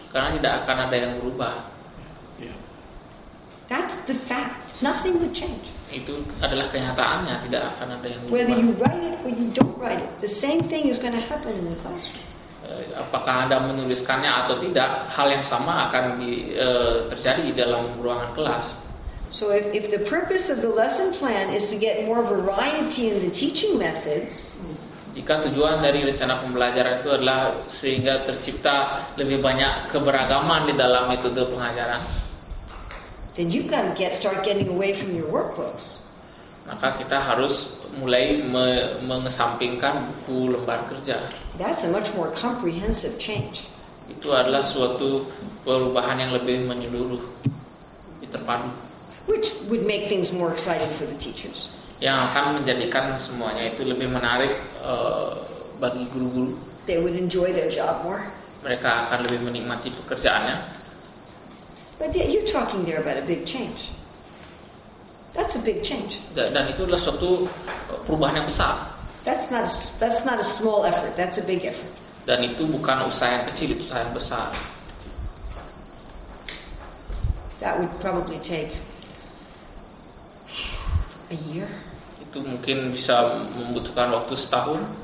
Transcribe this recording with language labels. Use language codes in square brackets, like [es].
[id] Karena tidak akan ada yang berubah. [en] Yeah. That's the fact. Nothing would change. [id] Itu adalah kenyataannya, tidak akan ada yang berubah. [en] Whether you write it or you don't write it, the same thing is going to happen in the classroom. [id] Apakah Anda menuliskannya atau tidak, hal yang sama akan terjadi dalam ruangan kelas. [en] So if the purpose of the lesson plan is to get more variety in the teaching methods. [id] Jika tujuan dari rencana pembelajaran itu adalah sehingga tercipta lebih banyak keberagaman di dalam metode pengajaran, [en] then you can start getting away from your workbooks. [id] Maka kita harus mulai mengesampingkan buku lembar kerja. [en] That's a much more comprehensive change. [id] Itu adalah suatu perubahan yang lebih menyeluruh, lebih terpadu. [en] Which would make things more exciting for the teachers. [id] Yang akan menjadikan semuanya itu lebih menarik bagi guru-guru. [en] They would enjoy their job more. [id] Mereka akan lebih menikmati pekerjaannya. [en] But you're talking there about a big change. That's a big change. [id] Dan itu adalah suatu perubahan yang besar. [en] That's not a small effort. That's a big effort. [id] Dan itu bukan usaha yang kecil, itu usaha yang besar. [en] That would probably take a year. [id] Itu mungkin bisa membutuhkan waktu setahun.